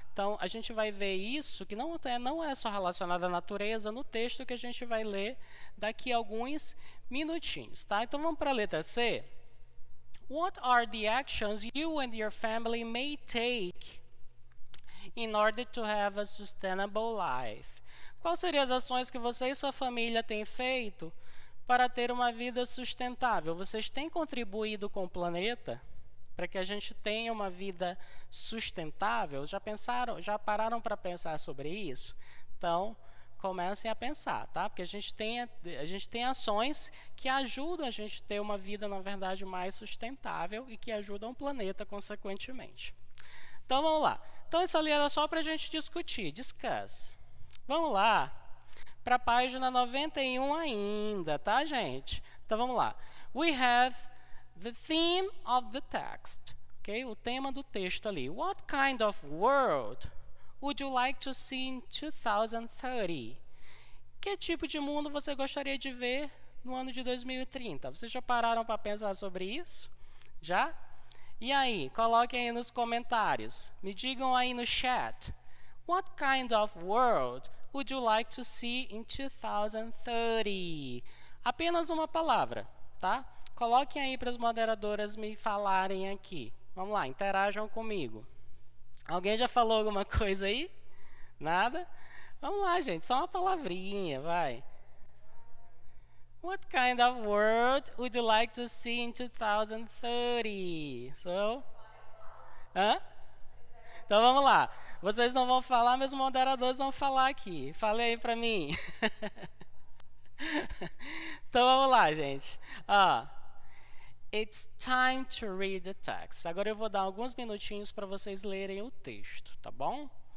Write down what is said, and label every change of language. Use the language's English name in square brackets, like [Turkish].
[Portuguese] Então, a gente vai ver isso, que não é só relacionado à natureza, no texto que a gente vai ler daqui a alguns minutinhos. Tá? Então, vamos para a letra C. [English] What are the actions you and your family may take in order to have a sustainable life? [Portuguese] Quais seriam as ações que você e sua família têm feito para ter uma vida sustentável? Vocês têm contribuído com o planeta para que a gente tenha uma vida sustentável? Já pararam para pensar sobre isso? Então, comecem a pensar, tá? Porque a gente tem ações que ajudam a gente a ter uma vida, na verdade, mais sustentável e que ajudam o planeta, consequentemente. Então, vamos lá. Então, isso ali era só para a gente discutir, discuss. Vamos lá para a página 91 ainda, tá, gente? Então, vamos lá. [English] We have the theme of the text, ok? [Portuguese] O tema do texto ali. [English] What kind of world would you like to see in 2030? [Portuguese] Que tipo de mundo você gostaria de ver no ano de 2030? Vocês já pararam para pensar sobre isso? Já? E aí, coloquem aí nos comentários. Me digam aí no chat. [English] What kind of world would you like to see in 2030? [Portuguese] Apenas uma palavra, tá? Coloquem aí para as moderadoras me falarem aqui. Vamos lá, interajam comigo. Alguém já falou alguma coisa aí? Nada? Vamos lá, gente, só uma palavrinha, vai. [English] What kind of world would you like to see in 2030? So? [Portuguese] Hã? Então vamos lá. Vocês não vão falar, mas os moderadores vão falar aqui. Fale aí pra mim. Então vamos lá, gente. Ó. [English] It's time to read the text. [Portuguese] Agora eu vou dar alguns minutinhos para vocês lerem o texto, tá bom?